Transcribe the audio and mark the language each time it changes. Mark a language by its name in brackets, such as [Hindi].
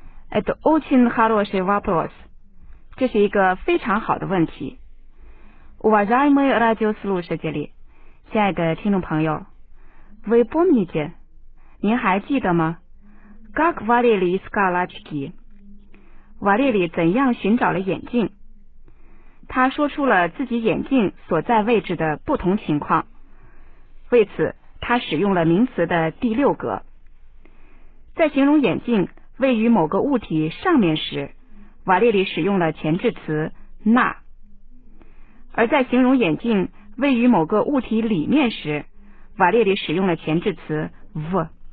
[Russian] Это очень хороший вопрос. [Chinese] 这是一个非常好的问题。 [Russian] Уважаемые радиослушатели, [Chinese] 亲爱的听众朋友， [Russian] Вы помните? [Chinese] 您还记得吗？ [Russian] Как Валерий искал очки? [Chinese] 瓦列里怎样寻找了眼镜？他说出了自己眼镜所在位置的不同情况，为此他使用了名词的第六格。在形容眼镜位于某个物体上面时，瓦列里使用了前置词那；而在形容眼镜位于某个物体里面时，瓦列里使用了前置词 в。